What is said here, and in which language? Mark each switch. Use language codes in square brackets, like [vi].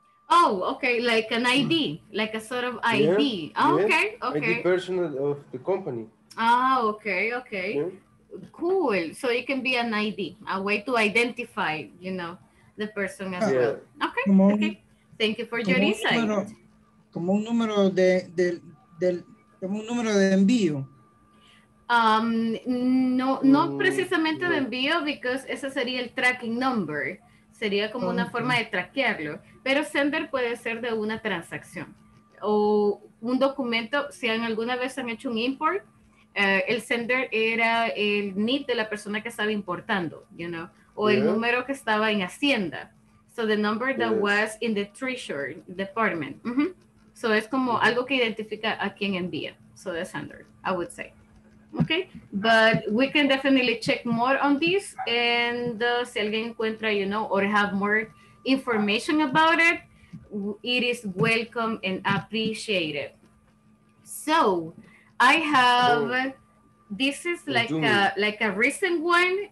[en] Oh, okay, like an ID, like a sort of ID. Yeah, oh, okay, yeah. Okay. ID personal of the company. Oh, okay, okay. Yeah. Cool. So it can be an ID, a way to identify, you know, the person as well. Okay, okay. Thank you for your insight. [es] Número, como un número de como un número de envío. No precisamente de envío, because ese sería el tracking number. Sería como una forma de traquearlo, pero sender puede ser de una transacción o un documento. Si alguna vez han hecho un import, el sender era el NIT de la persona que estaba importando, you know, o el número que estaba en Hacienda. [en] So the number that was in the Treasury Department. Mm-hmm. [es] So es como algo que identifica a quien envía. [en] So the sender, I would say. Okay, but we can definitely check more on this, and [es] si alguien encuentra, [en] you know, or have more information about it, it is welcome and appreciated. So I have, this is like a recent one.